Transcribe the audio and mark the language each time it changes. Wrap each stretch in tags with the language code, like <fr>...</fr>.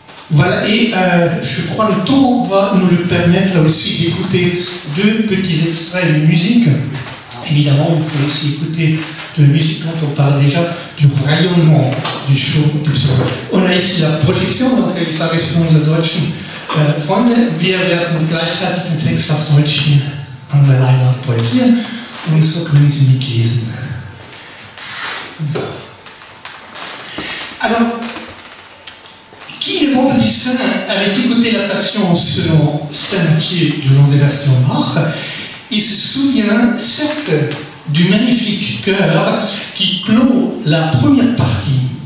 <fr>Voilà, et je crois que le temps va nous le permettre aussi d'écouter deux petits extraits de musique. Évidemment, vous pouvez aussi écouter de la musique quand on parle déjà du rayonnement du show. On a ici la projection, donc elle s'arrête sur la</fr> <de>deutsche Freunde. Wir werden gleichzeitig den Text auf Deutsch hier an der Leinwand projizieren. Und so können Sie mitlesen.</de> <fr>Alors, qui le vendredi saint avait écouté la Passion selon Saint Matthieu de Jean-Sébastien Bach, il se souvient certes du magnifique chœur qui clôt la première partie.</fr>